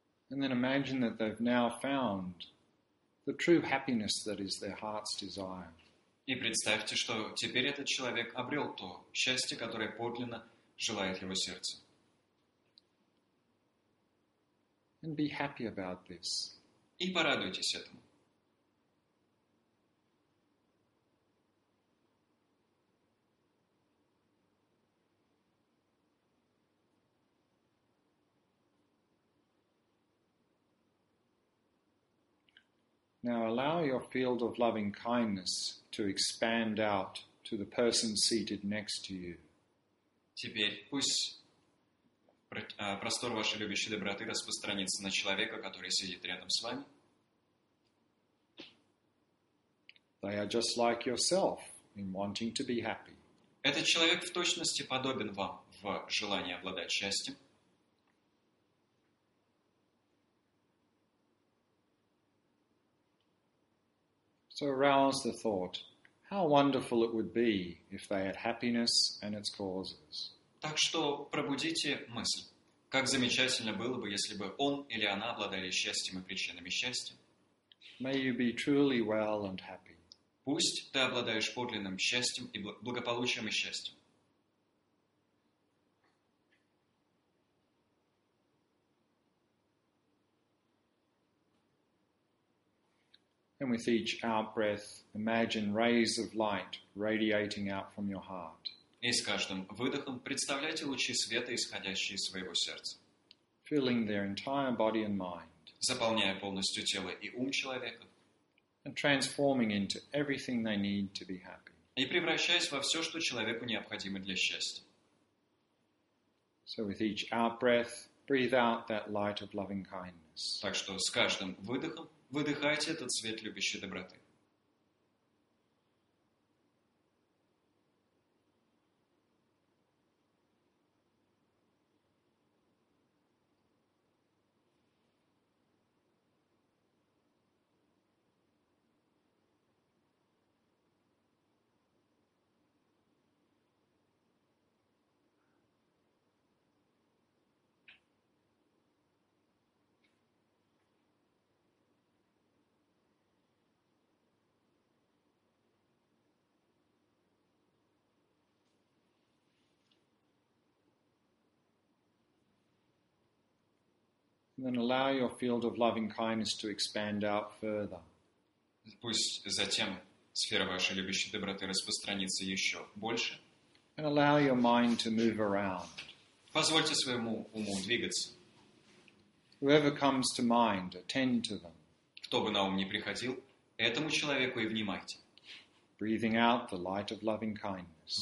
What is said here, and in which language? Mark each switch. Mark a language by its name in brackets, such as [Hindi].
[English] And then imagine that they've now found the true happiness that is their heart's desire. [Russian] И представьте, что теперь этот человек обрел то счастье, которое подлинно желает его сердце. [English] And be happy about this. [Russian] И порадуйтесь этому. [English] Now allow your field of loving kindness to expand out to the person seated next to you. [Russian] Теперь пусть простор вашей любящей доброты распространится на человека, который сидит рядом с вами. [English] They are just like yourself in wanting to be happy. [Russian] Этот человек в точности подобен вам в желании обладать счастьем. [English] So arouse the thought, How wonderful it would be if they had happiness and its causes. [Russian] Так что пробудите мысль. Как замечательно было бы, если бы он или она обладали счастьем и причинами счастья. [English] May you be truly well and happy. [Russian] Пусть ты обладаешь подлинным счастьем и благополучием и счастьем. [English] And with each out-breath, imagine rays of light radiating out from your heart. [Russian] И с каждым выдохом представляйте лучи света, исходящие из своего сердца. [English] Filling their entire body and mind. [Russian] Заполняя полностью тело и ум человека. [English] And transforming into everything they need to be happy. [Russian] И превращаясь во все, что человеку необходимо для счастья. [English] So with each out-breath, breathe out that light of loving kindness. [Russian] Так что с каждым выдохом выдыхайте этот свет любящей доброты. [English] And then allow your field of loving kindness to expand out further. [Russian] Пусть затем сфера вашей любящей доброты распространится еще больше. [English] And allow your mind to move around. [Russian] Позвольте своему уму двигаться. [English] Whoever comes to mind, attend to them. [Russian] Кто бы на ум ни приходил, этому человеку и внимайте. [English] Breathing out the light of loving kindness.